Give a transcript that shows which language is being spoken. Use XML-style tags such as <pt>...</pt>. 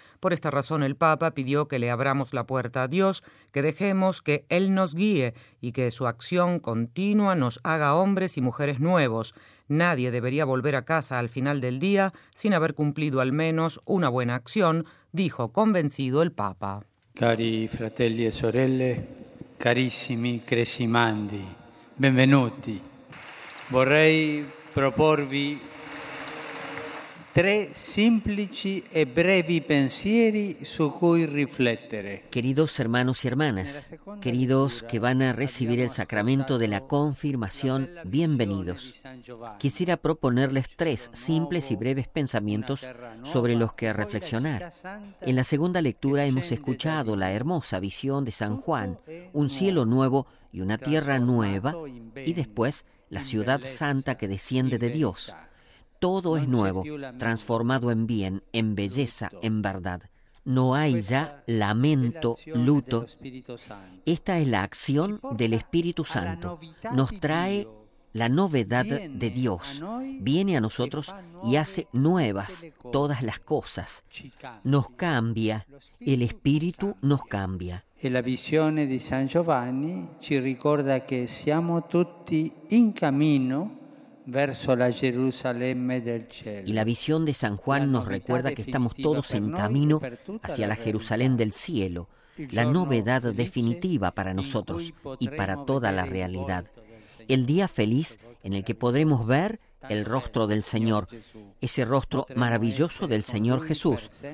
<es>Por esta razón, el Papa pidió que le abramos la puerta a Dios, que dejemos que Él nos guíe y que su acción continua nos haga hombres y mujeres nuevos. Nadie debería volver a casa al final del día sin haber cumplido al menos una buena acción, dijo convencido el Papa.</es> <it>Cari fratelli e sorelle, carissimi cresimandi, benvenuti. Vorrei proporvi tre semplici e brevi pensieri su cui riflettere.</it> <es>Queridos hermanos y hermanas, queridos que van a recibir el sacramento de la confirmación, bienvenidos. Quisiera proponerles tres simples y breves pensamientos sobre los que reflexionar. En la segunda lectura hemos escuchado la hermosa visión de San Juan, un cielo nuevo y una tierra nueva, y después la ciudad santa que desciende de Dios. Todo es nuevo, transformado en bien, en belleza, en verdad. No hay ya lamento, luto. Esta es la acción del Espíritu Santo. Nos trae la novedad de Dios. Viene a nosotros y hace nuevas todas las cosas. Nos cambia, el Espíritu nos cambia.</es> <it>E la visione di San Giovanni ci ricorda che siamo tutti in cammino verso la Gerusalemme del cielo.</it> <es>Y la visión de San Juan nos recuerda que estamos todos en camino hacia la Jerusalén del cielo, la novedad definitiva para nosotros y para toda la realidad. El día feliz en el que podremos ver el rostro del Señor, ese rostro maravilloso del Señor Jesús.</es>